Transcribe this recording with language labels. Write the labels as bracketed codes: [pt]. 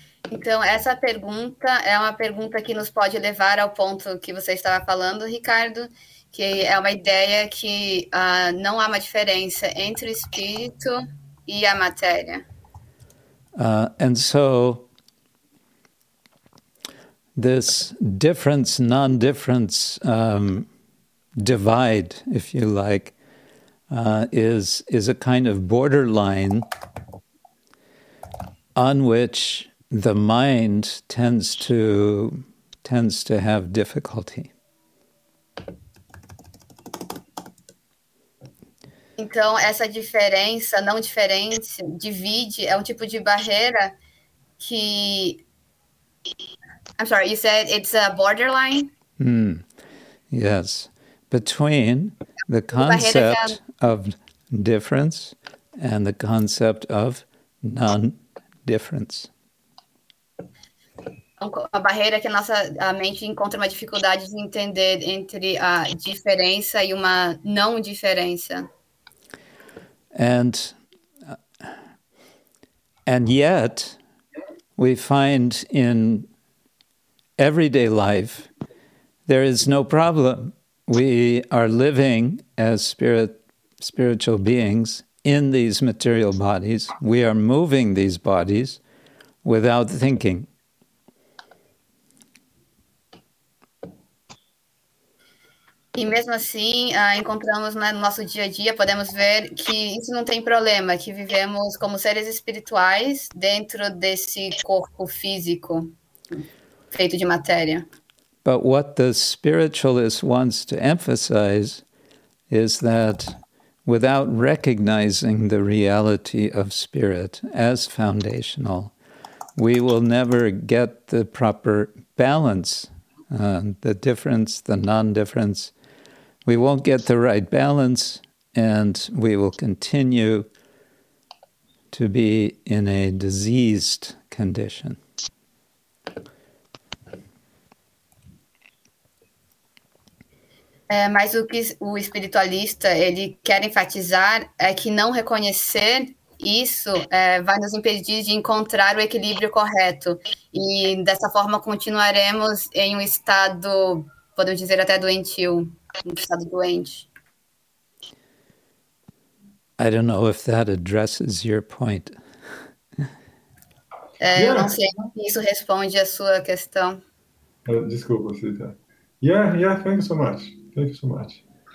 [pt] Então, essa pergunta é uma pergunta que nos pode levar ao ponto que você estava falando, Ricardo, que é uma ideia que não há uma diferença entre o espírito e a matéria. [en] And so, this difference, non-difference divide, if you like, is a kind of borderline on which the mind tends to have difficulty. [pt] Então, essa diferença, não diferente, divide, é um tipo de barreira que... [en] I'm sorry, you said it's a borderline? Yes. Between the concept of difference and the concept of non-difference. [pt] A barreira que a nossa a mente encontra uma dificuldade de entender entre a diferença e uma não-diferença. [en] And yet, we find in everyday life, there is no problem. We are living as spiritual beings in these material bodies. We are moving these bodies without thinking. [pt] E mesmo assim, encontramos no nosso dia a dia, podemos ver que isso não tem problema, que vivemos como seres espirituais dentro desse corpo físico feito de matéria. [en] But what the spiritualist wants to emphasize is that without recognizing the reality of spirit as foundational, we will never get the proper balance, the difference, the non-difference. We won't get the right balance, and we will continue to be in a diseased condition. [pt] É, mas o que o espiritualista ele quer enfatizar é que não reconhecer isso vai nos impedir de encontrar o equilíbrio correto. E dessa forma continuaremos em um estado, podemos dizer, até doentio, um estado doente. [en] I don't know if that addresses your point. [pt] Eu não sei se isso responde a sua questão. Desculpa, [en] Cita. Yeah, thank you so much. Thank you so much.